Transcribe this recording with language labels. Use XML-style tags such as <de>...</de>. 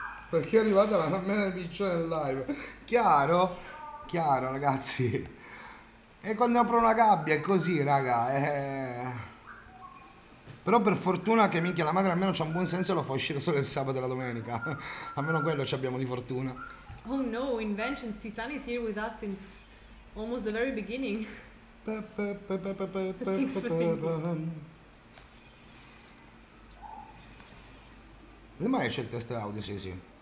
<it>Perché è arrivata la mia piccione nel live. Chiaro? Chiaro, ragazzi. E quando apro una gabbia è così, raga. Però per fortuna che minchia la madre almeno c'ha un buon senso e lo fa uscire solo il sabato e la domenica. Almeno quello ci abbiamo di fortuna.</it> <en>Oh no, Inventions, T-Sun is here with us since almost the very beginning.</en> <it>Come mai c'è il test audio, sì, sì?</it>